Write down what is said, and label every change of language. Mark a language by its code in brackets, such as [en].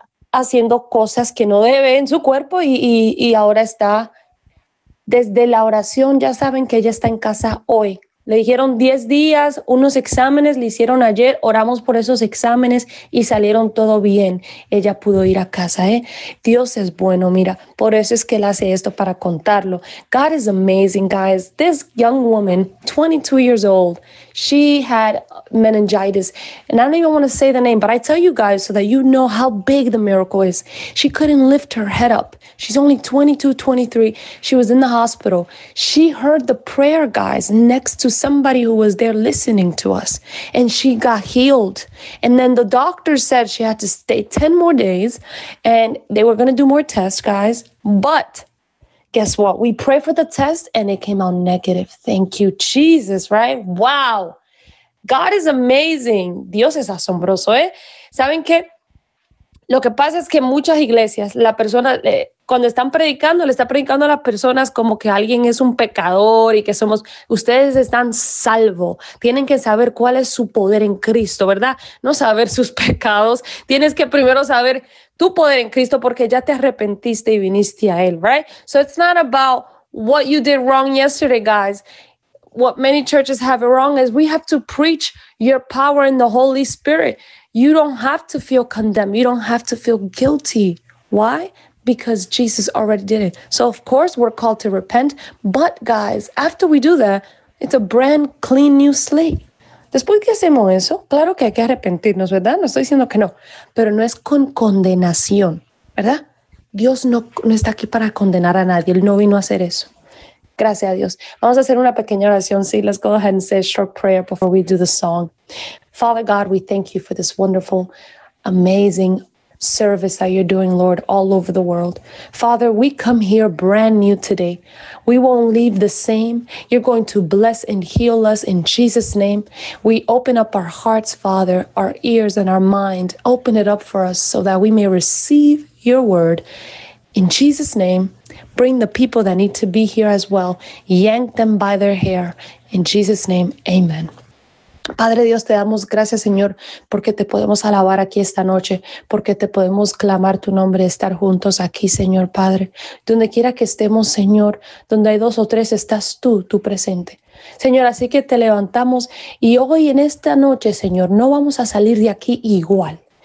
[es] Haciendo cosas que no debe en su cuerpo y ahora está desde la oración. Ya saben que ella está en casa hoy. Le dijeron 10 días, unos exámenes le hicieron ayer, oramos por esos exámenes y salieron todo bien. Ella pudo ir a casa, ¿eh? Dios es bueno, mira, por eso es que él hace esto para contarlo. [en] God is amazing, guys. This young woman, 22 years old, she had meningitis. And I don't even want to say the name, but I tell you guys so that you know how big the miracle is. She couldn't lift her head up. She's only 22, 23. She was in the hospital. She heard the prayer, guys, next to somebody who was there listening to us. And she got healed. And then the doctor said she had to stay 10 more days. And they were going to do more tests, guys. But guess what? We prayed for the test and it came out negative. Thank you, Jesus, right? Wow. God is amazing. [es] Dios es asombroso, ¿eh? ¿Saben qué? Lo que pasa es que en muchas iglesias, la persona, cuando están predicando, le está predicando a las personas como que alguien es un pecador y que somos, ustedes están salvos. Tienen que saber cuál es su poder en Cristo, ¿verdad? No saber sus pecados. Tienes que primero saber tu poder en Cristo porque ya te arrepentiste y viniste a Él, right? [en] So it's not about what you did wrong yesterday, guys. What many churches have wrong is we have to preach your power in the Holy Spirit. You don't have to feel condemned. You don't have to feel guilty. Why? Because Jesus already did it. So of course we're called to repent. But guys, after we do that, it's a brand clean new slate. [es] Después que hacemos eso, claro que hay que arrepentirnos, ¿verdad? No estoy diciendo que no. Pero no es con condenación, ¿verdad? Dios no está aquí para condenar a nadie. Él no vino a hacer eso. Gracias a Dios. Vamos a hacer una pequeña oración. [en] Sí, let's go ahead and say a short prayer before we do the song. Father God, we thank you for this wonderful, amazing service that you're doing, Lord, all over the world. Father, we come here brand new today. We won't leave the same. You're going to bless and heal us in Jesus' name. We open up our hearts, Father, our ears and our mind. Open it up for us so that we may receive your word. In Jesus' name, bring the people that need to be here as well. Yank them by their hair. In Jesus' name, amen. [es] Padre Dios, te damos gracias, Señor, porque te podemos alabar aquí esta noche, porque te podemos clamar tu nombre, estar juntos aquí, Señor Padre. Donde quiera que estemos, Señor, donde hay dos o tres, estás tú presente. Señor, así que te levantamos y hoy en esta noche, Señor, no vamos a salir de aquí igual.